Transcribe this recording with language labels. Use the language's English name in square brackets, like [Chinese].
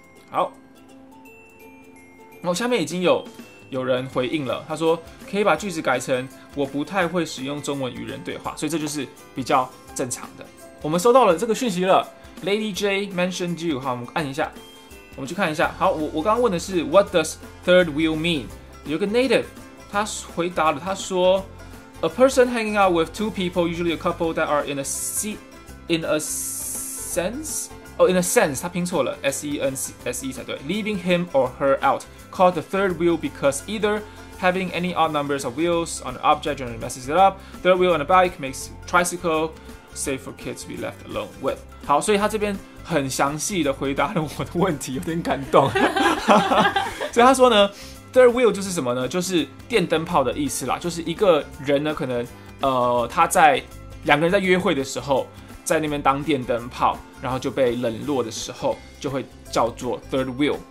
[Chinese] 好，然后下面已经有人回应了，他说可以把句子改成我不太会使用中文与人对话，所以这就是比较正常的。我们收到了这个讯息了， [English] Lady J mentioned you， [Chinese] 好，我们按一下，我们去看一下。好，我刚刚问的是 [English] What does third wheel mean？ [Chinese] 有个 native 他回答了，他说 [English] A person hanging out with two people, usually a couple that are in a seat, in a sense, oh, in a sense, [Chinese] 他拼错了 [English] ,S-E-N-S-E [Chinese] 才对 [English] leaving him or her out, called the third wheel because either having any odd numbers of wheels on an object generally messes it up, third wheel on a bike makes tricycle safe for kids to be left alone with. [Chinese] 好，所以他这边很详细的回答了我的问题，有点感动。所以他说呢，Third wheel 就是什么呢？就是电灯泡的意思啦，就是一个人呢，可能他在两个人在约会的时候，在那边当电灯泡，然后就被冷落的时候，就会叫做 third wheel。